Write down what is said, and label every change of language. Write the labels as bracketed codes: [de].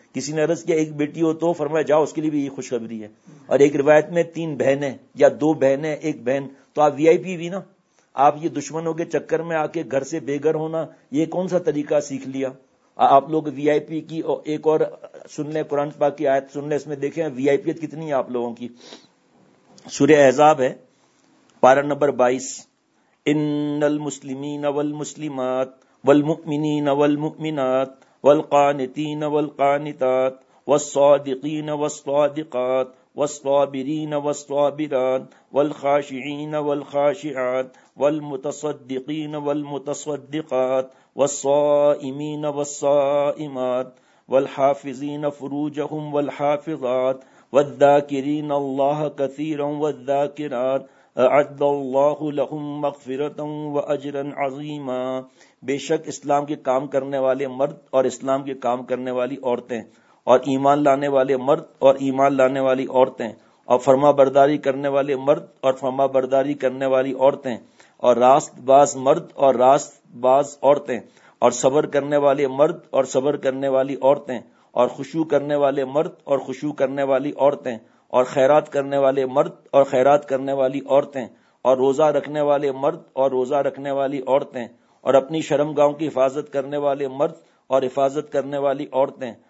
[ur] کسی نے عرض کیا ایک بیٹی ہو تو, فرمایا جاؤ اس کے لیے بھی یہی خوشخبری ہے. اور ایک روایت میں تین بہنیں یا دو بہنیں ایک بہن, تو آپ وی آئی پی بھی نا. آپ یہ دشمنوں کے چکر میں آ کے گھر سے بے گھر ہونا یہ کون سا طریقہ سیکھ لیا آپ لوگ وی آئی پی کی. اور ایک اور سن لیں قرآن پاک کی آیت سن لیں, اس میں دیکھیں وی آئی پی کتنی ہے آپ لوگوں کی. سورہ احزاب ہے پارہ نمبر 22, [ar] ان المسلمین والمسلمات والمؤمنین والمؤمنات والقانتین والقانتات والصادقین والصادقات والصابرین والصابران والخاشعين والخاشعات والمتصدقين والمتصدقات والصائمين والصائمات والحافظين فروجهم والحافظات والذاكرين الله كثيرا والذاكرات أعد الله لهم مغفرة وأجرا عظيما. [ur] بے شک اسلام کے کام کرنے والے مرد اور اسلام کے کام کرنے والی عورتیں, اور ایمان لانے والے مرد اور ایمان لانے والی عورتیں, اور فرما برداری کرنے والے مرد اور فرما برداری کرنے والی عورتیں, اور راست باز مرد اور راست باز عورتیں, اور صبر کرنے والے مرد اور صبر کرنے والی عورتیں, اور خشوع کرنے والے مرد اور خشوع کرنے والی عورتیں, اور خیرات کرنے والے مرد اور خیرات کرنے والی عورتیں, اور روزہ رکھنے والے مرد اور روزہ رکھنے والی عورتیں, اور اپنی شرم گاہوں کی حفاظت کرنے والے مرد اور حفاظت کرنے والی عورتیں,